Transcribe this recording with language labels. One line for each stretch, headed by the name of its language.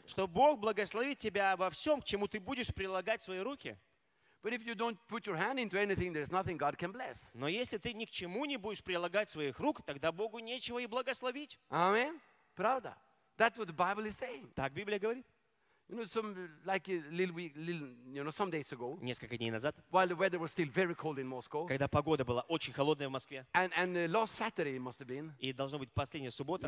Russian: что Бог благословит тебя во всем, к чему ты будешь прилагать свои руки. Но если ты ни к чему не будешь прилагать своих рук, тогда Богу нечего и благословить. Аминь. Правда.
English: That's what the Bible is saying.
Russian: Так Библия говорит.
English: You know, some like a little, week, little, you know, some days ago.
Russian: Несколько дней назад.
English: While the weather was still very cold in Moscow.
Russian: Когда погода была очень холодная в Москве.
English: And last Saturday it must have been.
Russian: И должно быть последняя суббота.